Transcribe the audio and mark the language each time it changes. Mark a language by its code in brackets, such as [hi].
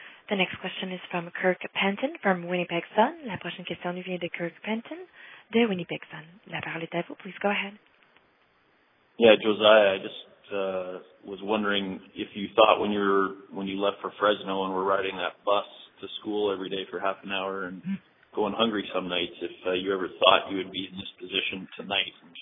[en] The next question is from Kirk Panton from Winnipeg Sun. [fr] La prochaine question nous vient de Kirk Panton. De Winnipeg Sun. La parole est à vous. [en] Please go ahead. Yeah, Josiah, I just was wondering if you thought when you left for Fresno and were riding that bus to school every day for half an hour and going hungry some nights, if you ever thought you would be in this position tonight.